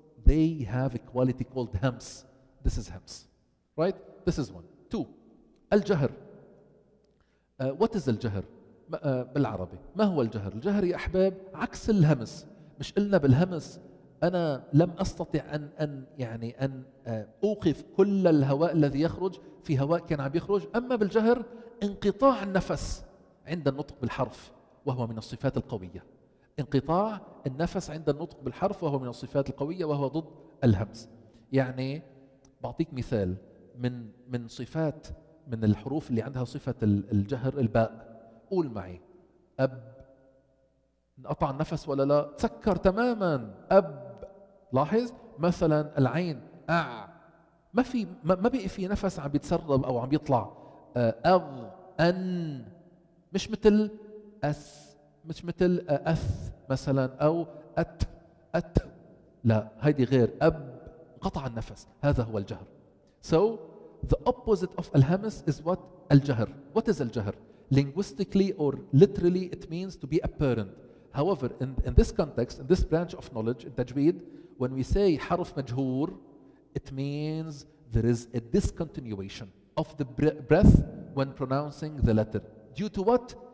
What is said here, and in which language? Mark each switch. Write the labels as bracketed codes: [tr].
[en] they have a quality called hams. This is hams, right? This is one. Two, الجهر. What is [ar] الجهر بالعربي؟ ما هو الجهر؟ الجهر يا أحباب عكس الهمس. مش قلنا بالهمس أنا لم أستطع أن يعني أن أوقف كل الهواء الذي يخرج، في هواء كان عم يخرج. أما بالجهر انقطاع النفس عند النطق بالحرف، وهو من الصفات القوية. انقطاع النفس عند النطق بالحرف وهو من الصفات القوية، وهو ضد الهمس. يعني بعطيك مثال من صفات من الحروف اللي عندها صفة الجهر، الباء. قول معي أب، انقطع النفس ولا لا؟ تسكر تماما. أب، لاحظ مثلا العين أع، ما بقي في نفس عم بيتسرب أو عم بيطلع. أغ، أن، مش مثل أس، مش مثل أث مثلا أو أت، أت، لا هيدي غير. أب، قطع النفس، هذا هو الجهر. [en] So the opposite of الهمس is what؟ الجهر. What is الجهر؟ Linguistically or literally it means to be apparent. However, in this context, in this branch of knowledge, in تجويد, when we say حرف مجهور, it means there is a discontinuation of the breath when pronouncing the letter. Due to what?